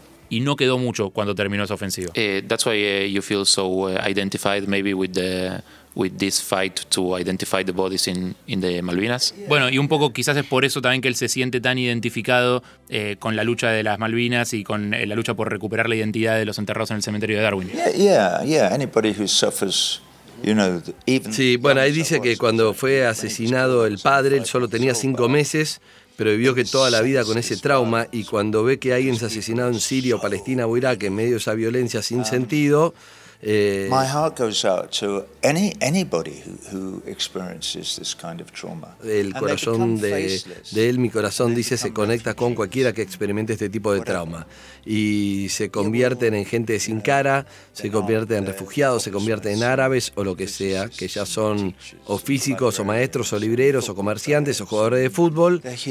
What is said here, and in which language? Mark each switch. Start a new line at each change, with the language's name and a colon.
Spanish: Y no quedó mucho cuando terminó esa ofensiva.
English: That's why you feel so identified maybe with this fight to identify the bodies in the Malvinas.
Spanish: Bueno, y un poco quizás es por eso también que él se siente tan identificado con la lucha de las Malvinas y con la lucha por recuperar la identidad de los enterrados en el cementerio de Darwin.
English: Yeah, anybody who suffers.
Spanish: Sí, bueno, ahí dice que cuando fue asesinado el padre, él solo tenía 5 meses, pero vivió que toda la vida con ese trauma, y cuando ve que alguien es asesinado en Siria o Palestina o Irak en medio de esa violencia sin sentido...
English: My heart goes out to anybody who experiences this kind of trauma.
Spanish: El corazón de él, mi corazón dice, se conecta con cualquiera que experimente este tipo de trauma. Y se convierten en gente sin cara, se convierten en refugiados, se convierten en árabes o lo que sea, que ya son o físicos o maestros o libreros o comerciantes o jugadores de fútbol.